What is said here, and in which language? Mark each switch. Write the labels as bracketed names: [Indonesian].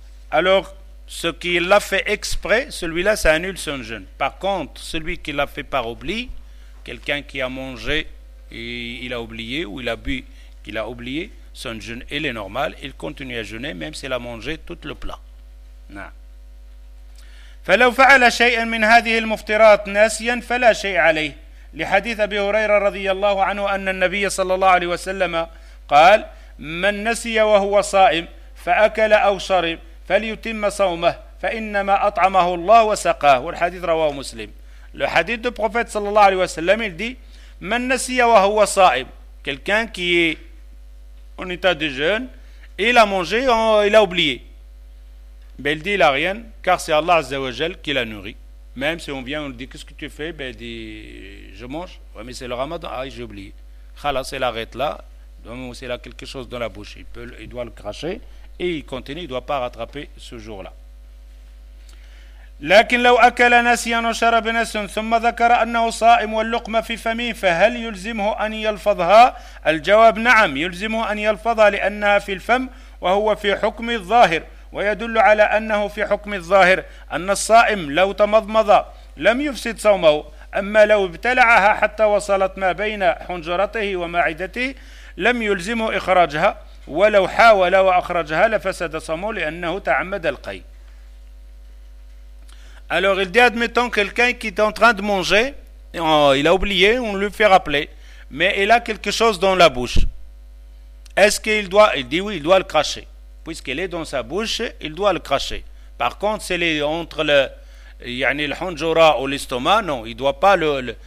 [French] Alors ce qui l'a fait exprès, celui-là ça annule son jeûne. Par contre celui qui l'a fait par oubli, quelqu'un qui a mangé et il a oublié, ou il a bu qu'il a oublié, son jeûne il est normal, il continue à jeûner même s'il a mangé tout le plat. Non. [Arabic] فلو فعل شيئا من هذه المفطرات ناسيا فلا شيء عليه لحديث أبي هريرة رضي الله عنه أن النبي صلى الله عليه وسلم قال من نسي وهو صائم فأكل أو شرب فليتم صومه فإنما أطعمه الله وسقاه والحديث رواه مسلم. [French] Le hadith du prophète صلى الله عليه وسلم il dit [Arabic] من نسي وهو صائم, [French] quelqu'un qui est en état de jeûne, il a mangé, il a oublié, mais il dit il a rien car c'est Allah عز وجل qui l'a nourri. Même si on vient, on lui dit qu'est-ce que tu fais, ben il dit je mange, ouais, mais c'est le ramadan, ah j'ai oublié. Khalas, il arrête là, donc s'il a quelque chose dans la bouche, il doit le cracher et il continue, il ne doit pas rattraper ce jour-là. [Arabic] لكن لو أكل نسيا وشرب نسيا ثم ذكر أنه صائم واللقمة في فمه فهل يلزمه أن يلفظها؟ الجواب نعم يلزمه أن يلفظها لأنها في الفم وهو في حكم الظاهر. ويدل على أنه في حكم الظاهر أن الصائم لو تمضمض لم يفسد صومه, أما لو ابتلعها حتى وصلت ما بين حنجرته ومعدته لم يلزمه إخراجها ولو حاول وأخرجها لفسد صومه لأنه تعمد القي. [French] Alors il dit admettons quelqu'un qui est en train de manger, il a oublié, on lui fait rappeler, mais il a quelque chose dans la bouche. Est-ce qu'il doit, il dit oui, il doit le cracher. Puisqu'il est dans sa bouche, il doit le cracher. Par contre, s'il est entre le honjora ou l'estomac, non, il ne doit pas le.